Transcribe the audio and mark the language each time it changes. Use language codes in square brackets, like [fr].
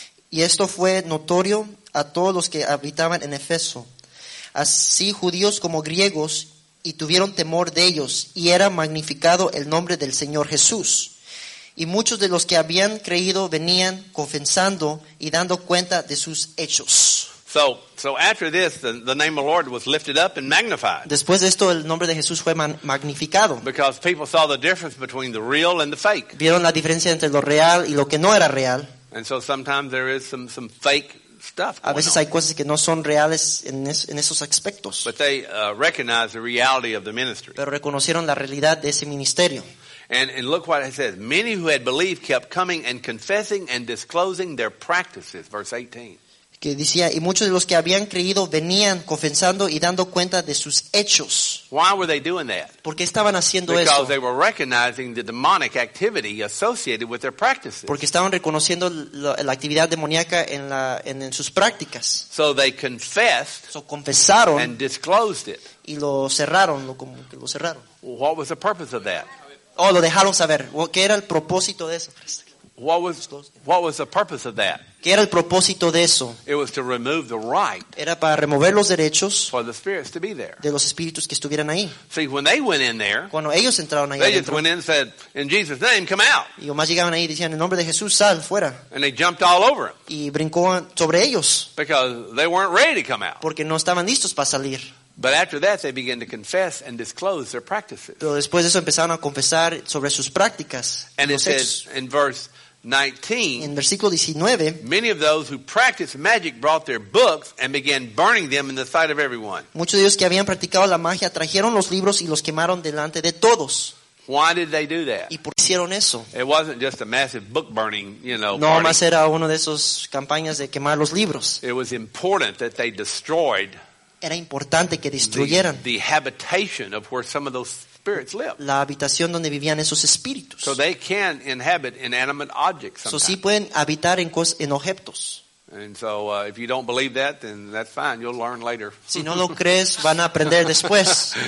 [es] Y esto fue notorio a todos los que habitaban en Efeso, así judíos como griegos, y tuvieron temor de ellos, y era magnificado el nombre del Señor Jesús. Y muchos de los que habían creído venían confesando y dando cuenta de sus hechos. [en] So after this, the name of the Lord was lifted up and magnified. [es] Después de esto, el nombre de Jesús fue magnificado. [en] Because people saw the difference between the real and the fake. [es] Vieron la diferencia entre lo real y lo que no era real. [en] And so sometimes there is some fake stuff going on. [es] A veces hay cosas que no son reales en esos aspectos. [en] But they recognize the reality of the ministry. [es] Pero reconocieron la realidad de ese ministerio. [en] And look what it says. Many who had believed kept coming and confessing and disclosing their practices. Verse 18. [es] Que decía, y muchos de los que habían creído venían confesando y dando cuenta de sus hechos. [en] Why were they doing that? [es] ¿Por qué estaban haciendo [en] Because [es] eso? [en] Because they were recognizing the demonic activity associated with their practices. [es] Porque estaban reconociendo la actividad demoníaca en sus prácticas. [en] So they confessed. [es] So confesaron. [en] And disclosed it. [es] Y lo cerraron, como que lo cerraron. [en] What was the purpose of that? [es] Oh, lo dejaron saber. ¿Qué era el propósito de eso? [en] What was the purpose of that? [es] ¿Qué era el propósito de eso? [en] It was to remove the right. [es] Era para remover los derechos. [en] For the spirits to be there. [es] De los espíritus que estuvieran ahí. [en] See, when they went in there. [es] Cuando ellos entraron ahí. [en] They just went in and said, "In Jesus' name, come out." [es] Y más llegaban ahí y decían, "En nombre de Jesús, sal fuera." [en] And they jumped all over him. [es] Y brincó sobre ellos. [en] Because they weren't ready to come out. [es] Porque no estaban listos para salir. [en] But after that, they began to confess and disclose their practices. [es] Pero después de eso empezaron a confesar sobre sus prácticas. [en] And it says in verse 19, [es] en versículo 19, [en] many of those who practiced magic brought their books and began burning them in the sight of everyone. [es] Muchos de ellos que habían practicado la magia trajeron los libros y los quemaron delante de todos. [en] Why did they do that? [es] ¿Y por qué hicieron eso? [en] It wasn't just a massive book burning, you know. [es] No, más era uno de esos campañas de quemar los libros. [en] It was important that they destroyed. [es] Era importante que destruyeran [en] the habitation of where some of those spirits live. [es] La habitación donde vivían esos espíritus. [en] So they can inhabit inanimate objects. [es] So sí pueden habitar en objetos. [en] And so if you don't believe that, then that's fine. You'll learn later. [es] Si no lo crees, van a aprender después.